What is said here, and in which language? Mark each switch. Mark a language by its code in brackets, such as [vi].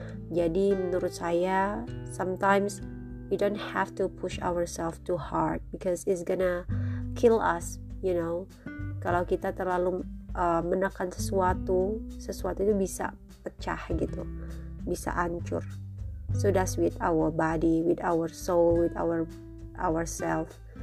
[id] Jadi menurut saya, [en] sometimes we don't have to push ourselves too hard because it's gonna kill us, you know. [id] Kalau kita terlalu menekan sesuatu, sesuatu itu bisa pecah gitu, bisa hancur. [en] So that's with our body, with our soul, with ourself.